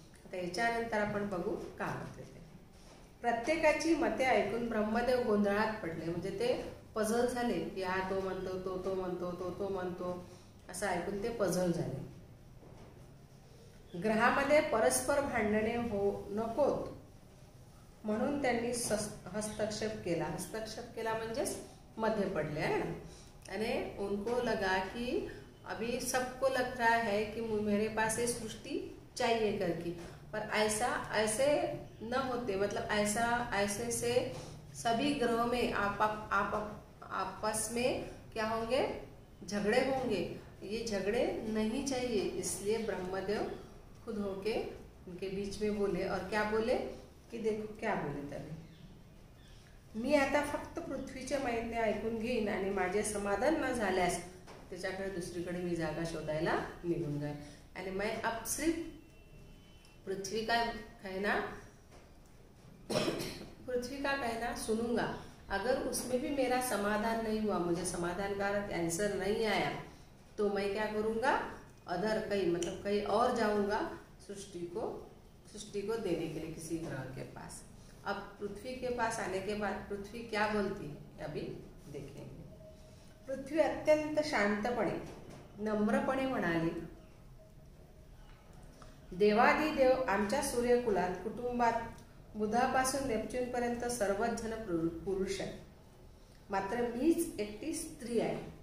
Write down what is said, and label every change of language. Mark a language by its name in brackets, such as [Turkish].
[Marathi] आता याच्यानंतर आपण बघू का होते ते, प्रत्येकाची मते ऐकून ब्रह्मदेव गोंधळात पडले, म्हणजे ते पझल झाले की हा तो म्हणतो, तो म्हणतो, तो म्हणतो, असं ऐकून ते पझल झाले। ग्रहामध्ये परस्पर भांडणे हो नकोत म्हणून त्यांनी हस्तक्षेप केला, हस्तक्षेप केला म्हणजे मध्ये पडले [Hindi] है ना। [Marathi] आणि [Hindi] उनको लगा की अभी सबको लग रहा है कि मेरे पास ये सृष्टि चाहिए करके, पर ऐसा ऐसे न होते, मतलब ऐसा ऐसे से सभी ग्रह में आपस में क्या होंगे, झगड़े होंगे, ये झगड़े नहीं चाहिए, इसलिए ब्रह्मदेव खुद होके उनके बीच में बोले। और क्या बोले कि देखो क्या बोले, [Marathi] तभी मी आता फक्त पृथ्वीचे मैत्री ऐकून घेईन आणि माझे समाधान न झाल्यास त्याच्याकडे दुसरीकडे मी जागा शोधायला निघून जाईन। [Hindi] आणि मैं अब सिर्फ पृथ्वी का कहना, पृथ्वी का कहना सुनूंगा। अगर उसमें भी मेरा समाधान नहीं हुआ, मुझे समाधानकारक आंसर नहीं आया, तो मैं क्या करूंगा, अदर कहीं मतलब कहीं और जाऊंगा सृष्टि को देने के लिए किसी ग्रह के पास। अब पृथ्वी के पास आने के बाद पृथ्वी क्या बोलती है अभी देखेंगे। [Marathi] पृथ्वी अत्यंत शांतपणे नम्रपणे म्हणाली, देवादि देव आमच्या सूर्यकुलात कुटुंबात बुधापासून नेपच्यून पर्यंत सर्वच जण पुरुष आहे, मात्र मीच एकटी स्त्री आहे।